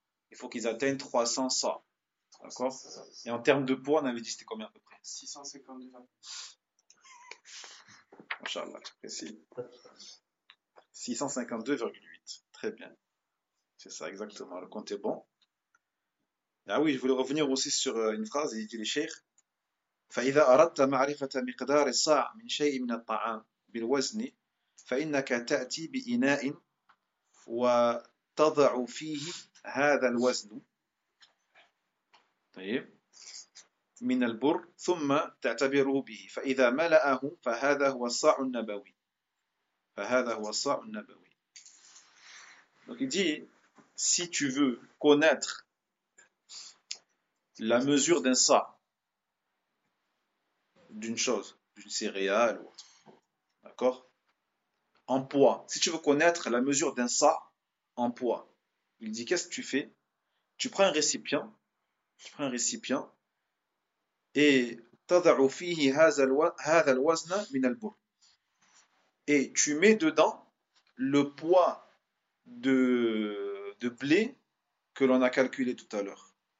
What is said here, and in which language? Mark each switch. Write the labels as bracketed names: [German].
[French] Il faut qu'ils atteignent 300 sa. D'accord? Et en termes de poids, on avait dit c'était combien à peu près? 652. Inch'Allah, tu précises. 652,8. Très bien. C'est ça, exactement. Le compte est bon. Ah oui, je voulais revenir aussi sur une phrase. Il dit les cheikhs. [Arabic] فإذا أردت معرفة مقدار الصاع من شيء من الطعام بالوزن فإنك تأتي بإناء وتضع فيه هذا الوزن طيب من البر ثم تعتبره به فإذا ملأه فهذا هو الصاع النبوي فهذا هو الصاع النبوي [French] Donc il dit, si tu veux connaître la mesure d'un sac, d'une chose, d'une céréale ou autre. D'accord? En poids. Si tu veux connaître la mesure d'un sa en poids, il dit, qu'est-ce que tu fais? Tu prends un récipient, tu prends un récipient et [Arabic] tadaru fihi hadha alwazna min albur. [French] Et tu mets dedans le poids de blé que l'on a calculé tout à l'heure.